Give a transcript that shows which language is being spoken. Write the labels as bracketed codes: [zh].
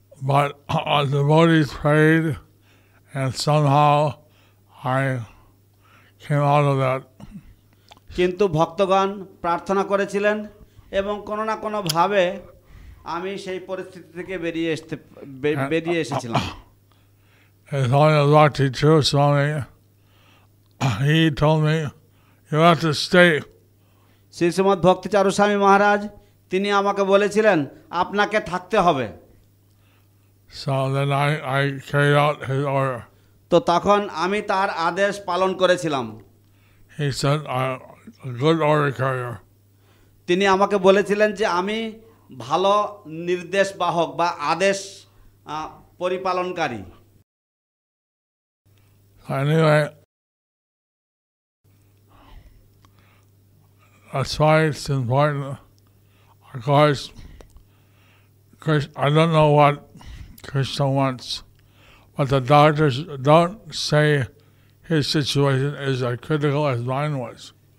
[en] But the devotees prayed, and somehow I came out of that. [bn] কিন্তু ভক্তগণ প্রার্থনা করেছিলেন এবং কোনো না কোনো ভাবে আমি সেই পরিস্থিতি থেকে বেরিয়ে এসেছিলাম [en] Bhakti Charu Swami, he told me, you have to stay. [bn] Shri Shrimad ভক্তি চারু স্বামী মহারাজ তিনি আমাকে বলেছিলেন আপনাকে থাকতে হবে [en] So then I carried out his order. [bn] তো তখন আমি তার আদেশ পালন করেছিলাম [en] He said, a good order carrier. [bn] তিনি আমাকে বলেছিলেন যে আমি ভালো নির্দেশ বাহক বা আদেশ পরিপালনকারী [en] Anyway, that's why it's important. Of course, I don't know what Krishna wants, but the doctors don't say his situation is as critical as mine was.